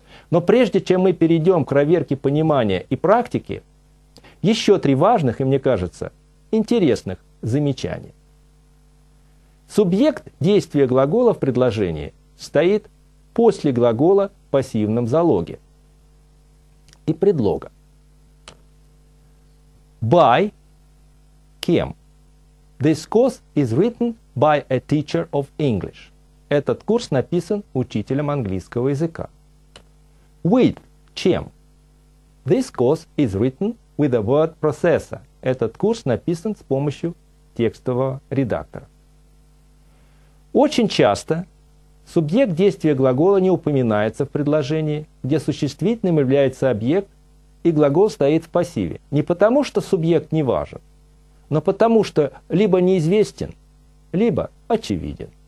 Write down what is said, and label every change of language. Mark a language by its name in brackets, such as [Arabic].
[Russian] Но прежде чем мы перейдем к проверке понимания и практики, еще три важных и, мне кажется, интересных замечания. Субъект действия глагола в предложении стоит после глагола в пассивном залоге и предлога. [English] By [Russian] кем? [English] This course is written by a teacher of English. [Russian] Этот курс написан учителем английского языка. [English] With [Russian] чем? [English] This course is written with a word processor. [Russian] Этот курс написан с помощью текстового редактора. Очень часто субъект действия глагола не упоминается в предложении, где существительным является объект, и глагол стоит в пассиве. Не потому, что субъект не важен, но потому что либо неизвестен, либо очевиден.